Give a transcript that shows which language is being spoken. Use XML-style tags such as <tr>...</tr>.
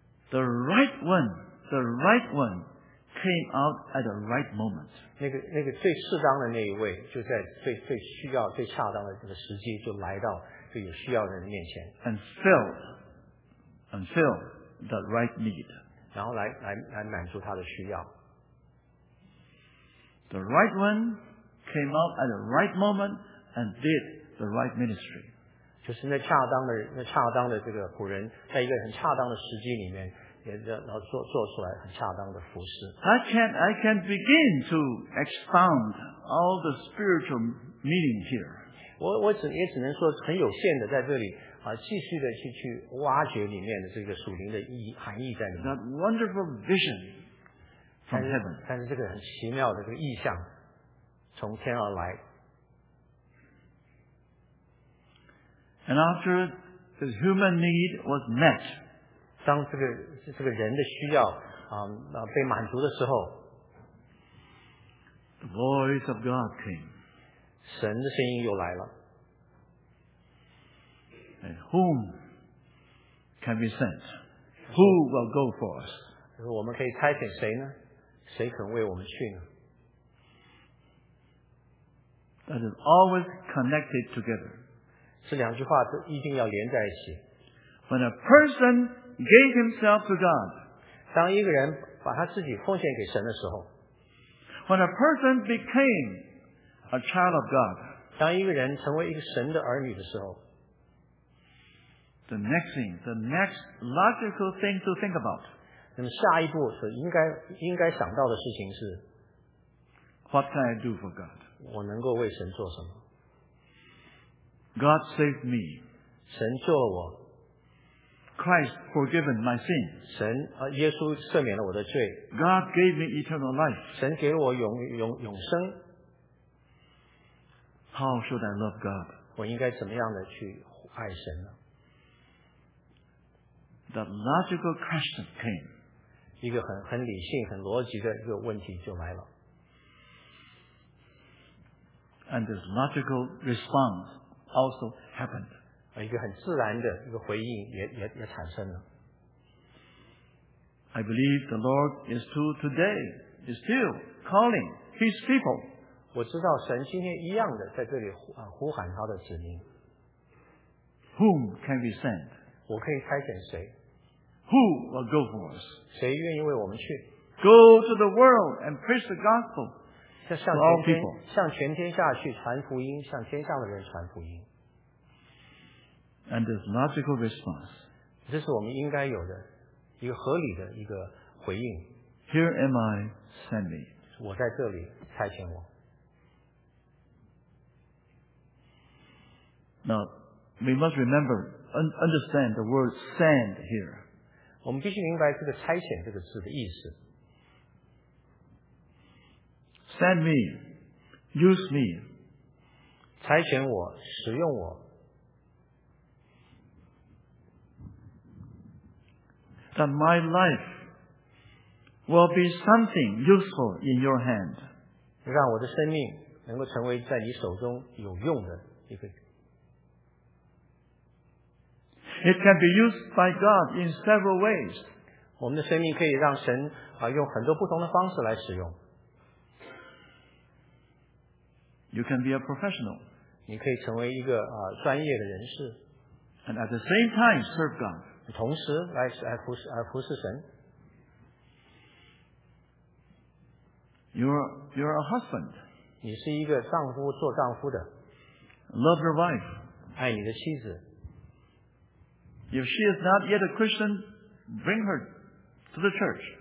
<en>The right one came out at the right moment.</en> <zh>那个最适当的那一位就在最需要最恰当的这个时机就来到就有需要的人面前。</zh> <en>And fill the right need.</en> <zh>然后来满足他的需要。</zh> <en>The right one came out at the right moment and did the right ministry.</en> <zh>就是那恰当的这个仆人，在一个很恰当的时机里面，也然后做出来很恰当的服事。</zh> <en>I can begin to expound all the spiritual meaning here.</en> <zh>我也只能说很有限的在这里继续的去挖掘里面的这个属灵的意义含义在里面。</zh> <en>That wonderful vision from heaven.</en> <zh>但是这个很奇妙的这个意象从天而来。</zh> <en>And after the human need was met,</en> <zh>当这个人的需要被满足的时候</zh> <en>，the voice of God came.</en> <zh>神的声音又来了。</zh> <en>And whom can be sent? Who will go for us?</en> <zh>我们可以差遣谁呢？谁肯为我们去呢</zh> <en>？That is always connected together.</en> <zh>这两句话都一定要连在一起。</zh> <en>When a person gave himself to God,</en> <zh>当一个人把他自己奉献给神的时候</zh> <en>，When a person became a child of God,</en> <zh>当一个人成为一个神的儿女的时候</zh> <en>，The next thing, the next logical thing to think about,</en> <zh>那么下一步所应该想到的事情是</zh> <en>，What can I do for God?</en> <zh>我能够为神做什么？</zh> <en>God saved me.</en> <zh>神救了我。</zh> <en>Christ forgiven my sin.</en> <zh>神耶稣赦免了我的罪。</zh> <en>God gave me eternal life.</en> <zh>神给了我永生。</zh> <en>How should I love God?</en> <zh>我应该怎么样的去爱神呢</zh> <en>？The logical question came.</en> <zh>一个很理性、很逻辑的一个问题就来了。</zh> <en>And this logical response. Also happened.</en> <zh>一个很自然的一个回应也产生了。</zh> <en>I believe the Lord is to today is still calling His people.</en> <zh>我知道神今天一样的在这里呼喊他的子民。</zh> <en>Whom can we send?</en> <zh>我可以差遣谁</zh> <en>？Who will go for us?</en> <zh>谁愿意为我们去</zh> <en>？Go to the world and preach the gospel.</en> <zh>向全天下去传福音，向天上的人传福音。</zh> <en>And this logical response,</en> <zh>这是我们应该有的一个合理的一个回应。</zh> <en>Here am I, send me.</en> <zh>我在这里，差遣我。</zh> <en>Now, we must remember, understand the word send here.</en> <zh>我们必须明白这个差遣这个字的意思。</zh> <en>Send me, use me.</en> <zh>差遣我，使用我。</zh> <en>That my life will be something useful in your hand.</en> <zh>让我的生命能够成为在你手中有用的一个。</zh> <en>It can be used by God in several ways.</en> <zh>我们的生命可以让神用很多不同的方式来使用。</zh> <en>You can be a professional.</en> <zh>你可以成为一个专业的人士。</zh> <en>And at the same time serve God.</en> <zh>同时来服侍神。</zh> <en>You're a husband.</en> <zh>你是一个丈夫做丈夫的。</zh> <en>Love your wife.</en> <zh>爱你的妻子。</zh> <en>If she is not yet a Christian, bring her to the church.</en>